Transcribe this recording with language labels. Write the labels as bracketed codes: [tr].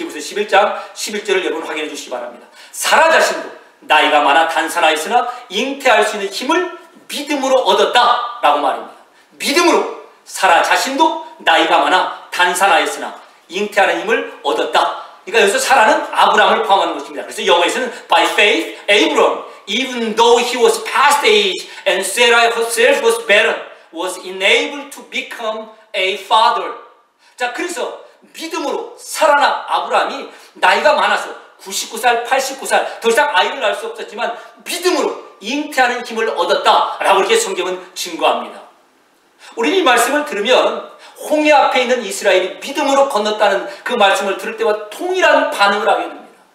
[ko] 히브리서 11장 11절을 여러분 확인해 주시기 바랍니다. 사라 자신도 나이가 많아 단산하였으나 잉태할 수 있는 힘을 믿음으로 얻었다 라고 말입니다. 믿음으로 사라 자신도 나이가 많아 단산하였으나 잉태하는 힘을 얻었다. 그러니까 여기서 사라는 아브라함을 포함하는 것입니다. 그래서 영어에서는 [en] By faith, Abram, even though he was past age and Sarah herself was barren, was enabled to become a father. [ko] 자, 그래서 믿음으로 사라나 아브라함이 나이가 많아서 99살, 89살, 더 이상 아이를 낳을 수 없었지만 믿음으로 잉태하는 힘을 얻었다라고 이렇게 성경은 증거합니다. 우리는 이 말씀을 들으면 홍해 앞에 있는 이스라엘이 믿음으로 건넜다는 그 말씀을 들을 때와 동일한 반응을 하게 됩니다.